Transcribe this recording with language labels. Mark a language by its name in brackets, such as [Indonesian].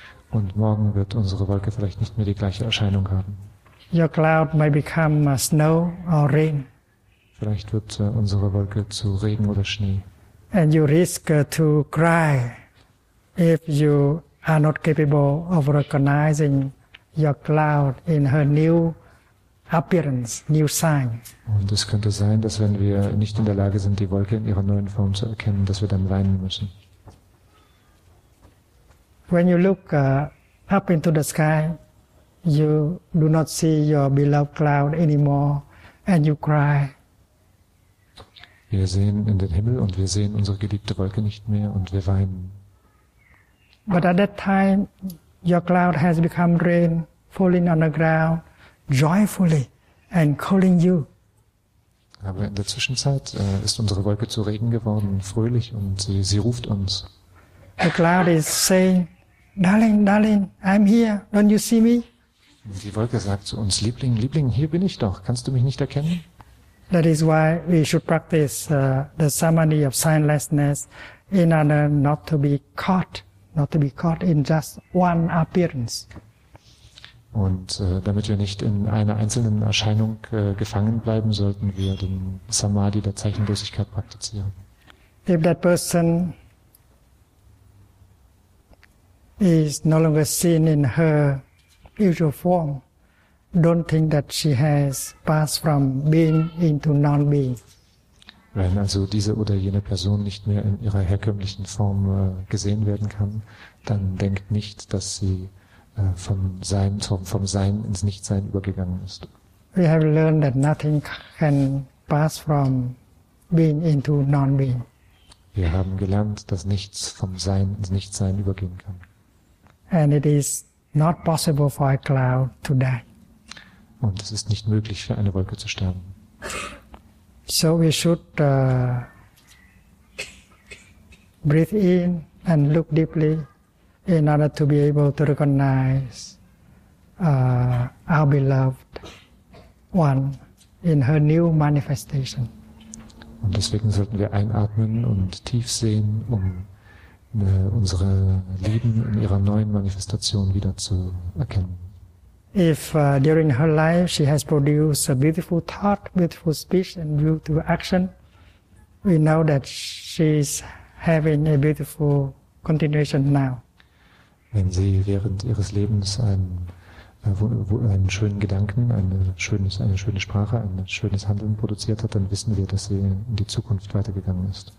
[German] Und morgen wird unsere Wolke vielleicht nicht mehr die gleiche Erscheinung haben. [English] Your cloud may become snow or rain. [German] Vielleicht wird unsere Wolke zu Regen oder Schnee. [English] And you risk to cry if you are not capable of recognizing your cloud in her new appearance, new sign. [German] Und es könnte sein, dass wenn wir nicht in der Lage sind, die Wolke in ihrer neuen Form zu erkennen, dass wir dann weinen müssen. [English] When you look up into the sky, you do not see your beloved cloud anymore, and you cry. [German] Wir sehen in den Himmel und wir sehen unsere geliebte Wolke nicht mehr und wir weinen. [English] But at that time, your cloud has become rain, falling on the ground, joyfully, and calling you. [German] Aber in der Zwischenzeit ist unsere Wolke zu Regen geworden, fröhlich, und sie ruft uns. [English] The cloud is saying, darling, darling, I'm here, don't you see me? [German] Die Wolke sagt zu uns, Liebling, Liebling, hier bin ich doch, kannst du mich nicht erkennen? [English] That is why we should practice the samadhi of signlessness in order not to be caught in just one appearance. [German] Und damit wir nicht in einer einzelnen Erscheinung gefangen bleiben, sollten wir den Samadhi der Zeichenlosigkeit praktizieren. [English] If that person is no longer seen in her usual form, don't think that she has passed from being into non-being. [German] Wenn also diese oder jene Person nicht mehr in ihrer herkömmlichen Form gesehen werden kann, dann denkt nicht, dass sie vom Sein ins Nichtsein übergegangen ist. [English] We have learned that nothing can pass from being into non-being. [German] Wir haben gelernt, dass nichts vom Sein ins Nichtsein übergehen kann. [English] And it is not possible for a cloud to die. [German] Und es ist nicht möglich für eine Wolke zu sterben. [English] So we should breathe in and look deeply in order to be able to recognize our beloved one in her new manifestation. [German] Und deswegen sollten wir einatmen und tief sehen, um unsere Lieben in ihrer neuen Manifestation wieder zu erkennen. [English] If during her life she has produced a beautiful thought, beautiful speech and beautiful action, we know that she is having a beautiful continuation now. [German] Wenn sie während ihres Lebens einen schönen Gedanken, eine schöne Sprache, ein schönes Handeln produziert hat, dann wissen wir, dass sie in die Zukunft weitergegangen ist.